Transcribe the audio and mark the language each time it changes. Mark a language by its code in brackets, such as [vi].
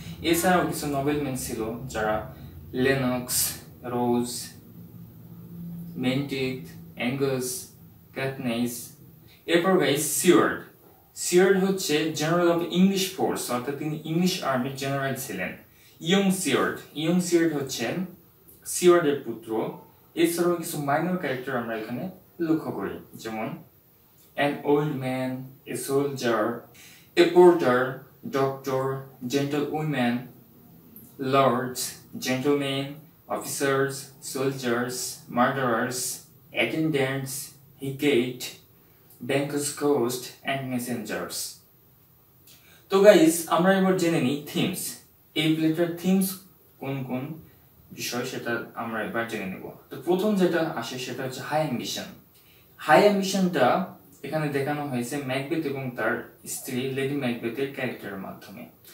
[bn] এছাড়াও কিছু নোবেলম্যান ছিল, যারা লেনক্স, রোজ, মেন্টিক, অ্যাঙ্গাস, ক্যাথনেস। এরপর গাইস সিওয়ার্ড, সিওয়ার্ড হচ্ছে জেনারেল অফ ইংলিশ ফোর্স, অর্থাৎ তিনি ইংলিশ আর্মির জেনারেল ছিলেন। ইয়ং সিওয়ার্ড, ইয়ং সিওয়ার্ড হচ্ছেন সিওয়ার্ডের পুত্র। এছাড়াও কিছু মাইনর ক্যারেক্টার আমরা এখানে লক্ষ্য করি, যেমন [en] an old man, a soldier, a porter, doctor, gentlewoman, lords, gentlemen, officers, soldiers, murderers, attendants, he gate, bankers, ghost, and messengers. So guys, [bn] amra ebar jene ni themes. এই প্লেটার থিমস কোন কোন বিষয় সেটা আমরা এবার জেনে নেব। তো প্রথম যেটা আসে সেটা হচ্ছে হাই অ্যাম্বিশন। হাই অ্যাম্বিশনটা এখানে দেখানো হয়েছে ম্যাকবেথ এবং তার স্ত্রী লেডি ম্যাকবেথের ক্যারেক্টারের মাধ্যমে।